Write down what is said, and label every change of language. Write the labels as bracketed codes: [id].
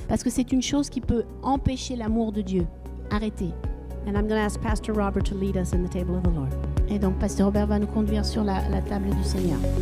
[fr] Parce que c'est une chose qui peut empêcher l'amour de Dieu. Arrêtez. [en] And I'm going to ask Pastor Robert to lead us in the table of the Lord. [fr] Et donc Pasteur Robert va nous conduire sur la table du Seigneur.